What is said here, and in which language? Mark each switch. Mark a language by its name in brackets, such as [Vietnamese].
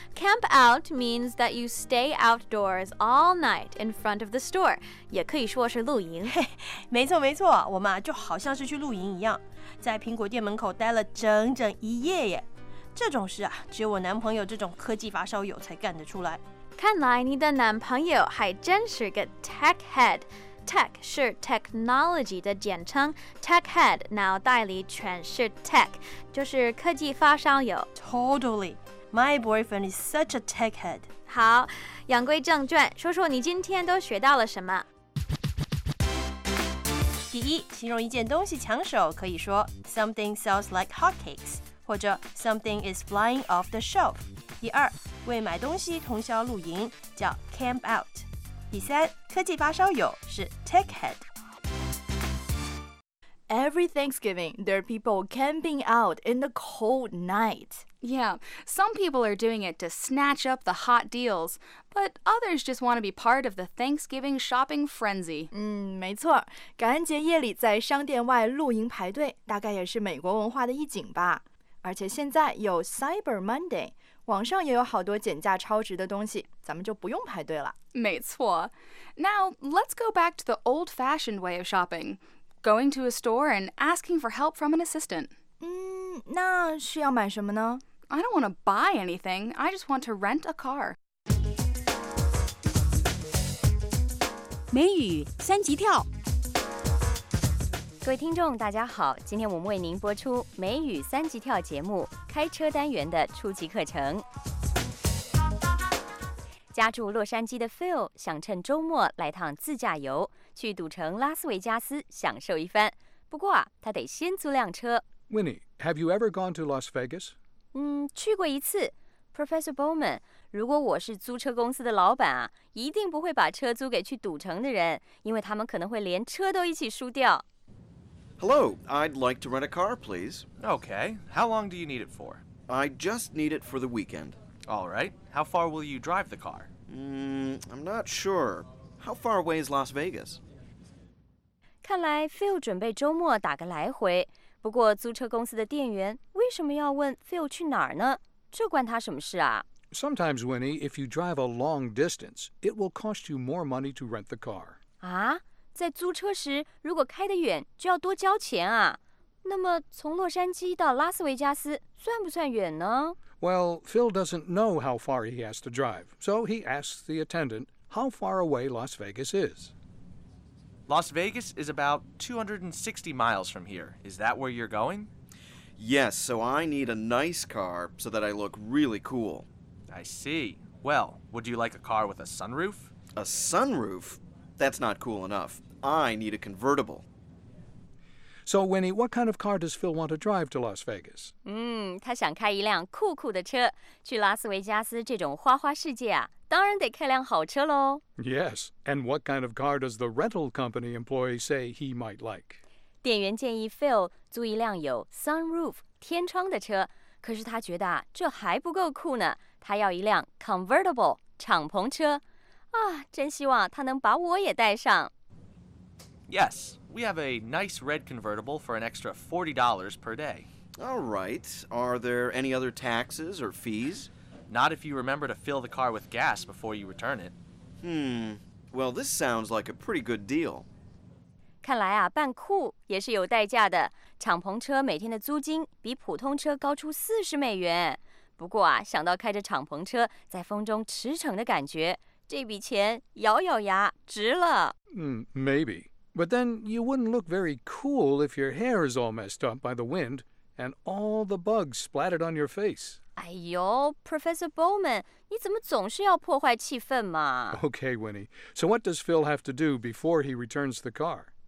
[English] Camp out means that you stay outdoors all night in front of the store. [Chinese] 也可以说是露营。没错没错，我们就好像是去露营一样，在苹果店门口待了整整一夜耶。这种事啊，只有我男朋友这种科技发烧友才干得出来。看来你的男朋友还真是个 [English] tech head。 [Chinese] Tech 是 technology 的简称， tech head 脑袋里全是 tech， 就是科技发烧友。 [English] Totally. My boyfriend is such a tech head. [Chinese] 好，言归正传，说说你今天都学到了什么。第一，形容一件东西抢手可以说 [English] something sells like hotcakes， [Chinese] 或者 [English] something is flying off the shelf。 [Chinese] 第二，为买东西通宵露营叫 camp out。第三，科技发烧友是 tech head。 [English] Every Thanksgiving, there are people camping out in the cold night. Yeah, some people are doing it to snatch up the hot deals, but others just want to be part of the Thanksgiving shopping frenzy. [Chinese] 没错，感恩节夜里在商店外露营排队，大概也是美国文化的一景吧。而且现在有 Cyber Monday，网上也有好多减价超值的东西，咱们就不用排队了。没错。 [English] Now, let's go back to the old-fashioned way of shopping. Going to a store and asking for help from an assistant. [Chinese] 那是要买什么呢？ [English] I don't want to buy anything. I just want to rent a car. [Chinese] 美语三级跳。各位听众大家好，今天我们为您播出美语三级跳节目开车单元的初级课程。家住洛杉矶的 Phil 想趁周末来趟自驾游，去赌城拉斯维加斯享受一番，不过他得先租辆车。 [English] Winnie, have you ever gone to Las Vegas? [Chinese] 去过一次。Professor Bowman, 如果我是租车公司的老板啊，一定不会把车租给去赌城的人，因为他们可能会连车都一起输掉。 [English] Hello, I'd like to rent a car, please. Okay, how long do you need it for? I just need it for the weekend. All right, how far will you drive the car? I'm not sure. How far away is Las Vegas? [Chinese] 看来 Phil 准备周末打个来回，不过租车公司的店员为什么要问 Phil 去哪儿呢？这关他什么事啊？ [English] Sometimes, Winnie, if you drive a long distance, it will cost you more money to rent the car. [Chinese] 在租车时如果开得远就要多交钱啊，那么从洛杉矶到拉斯维加斯算不算远呢？ [English] Well, Phil doesn't know how far he has to drive, so he asks the attendant how far away Las Vegas is. Las Vegas is about 260 miles from here. Is that where you're going? Yes, so I need a nice car so that I look really cool. I see. Well, would you like a car with a sunroof? A sunroof? That's not cool enough. I need a convertible. So, Winnie, what kind of car does Phil want to drive to Las Vegas? [Chinese] 他想开一辆酷酷的车，去拉斯维加斯这种花花世界啊，当然得开辆好车咯。 [English] Yes, and what kind of car does the rental company employee say he might like? [Chinese] 店员建议 Phil 租一辆有 sunroof, 天窗的车，可是他觉得这还不够酷呢，他要一辆 convertible, 敞篷车。真希望他能把我也带上。 [English] Yes, we have a nice red convertible for an extra $40 per day. All right, are there any other taxes or fees? Not if you remember to fill the car with gas before you return it. Well, this sounds like a pretty good deal. [Chinese] 看来啊，办酷也是有代价的。敞篷车每天的租金比普通车高出$40。不过啊，想到开着敞篷车在风中驰骋的感觉，这笔钱咬咬牙值了。 [English] Maybe. But then you wouldn't look very cool if your hair is all messed up by the wind and all the bugs splattered on your face. [Chinese] 哎呦 ，Professor Bowman， 你怎么总是要破坏气氛嘛 [English] ？Okay, Winnie. So what does Phil have to do before he returns the car?